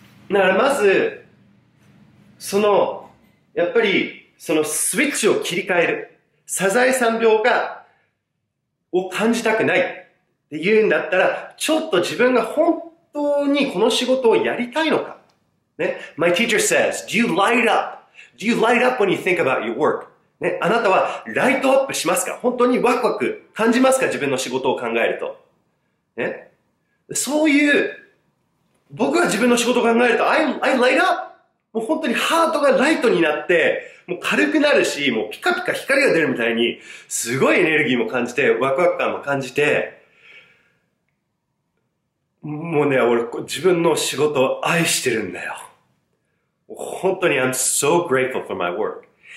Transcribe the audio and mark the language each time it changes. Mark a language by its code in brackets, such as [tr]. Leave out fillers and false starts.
[ja] だからまずそのやっぱりそのスイッチを切り替える、サザエさん病を感じたくないって言うんだったら、ちょっと自分が本当にこの仕事をやりたいのか、ね、 [en] My teacher says, Do you light up? Do you light up when you think about your work?、 [ja] ね、あなたはライトアップしますか? 本当にワクワク感じますか?自分の仕事を考えると、ね、そういう僕は自分の仕事を考えると [en] I light up! [ja] もう本当にハートがライトになって、もう軽くなるし、もうピカピカ光が出るみたいに、すごいエネルギーも感じてワクワク感も感じて、もうね、俺自分の仕事を愛してるんだよ。本当に [en] I'm so grateful for my work.